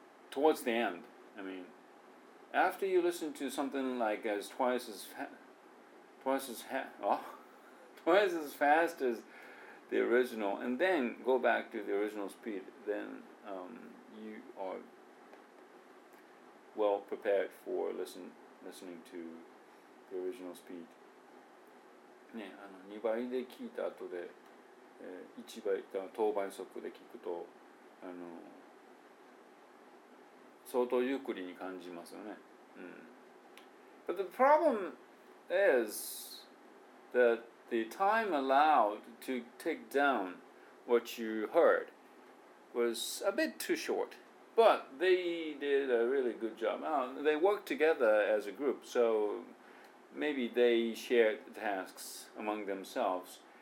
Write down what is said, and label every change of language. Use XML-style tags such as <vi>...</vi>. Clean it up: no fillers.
<en>Towards the end, I mean, after you listen to something like as twice as fast as the original, and then go back to the original speed, then you are well prepared for listening to the original speed.</en> <ja>ね、あの2倍で聞いた後で、1倍、等倍速で聞くと、あの相当ゆっくりに感じますよね。うん。</ja> <en>But the problem is that the time allowed to take down what you heard was a bit too short. But they did a really good job. They worked together as a group, so maybe they shared tasks among themselves.</en>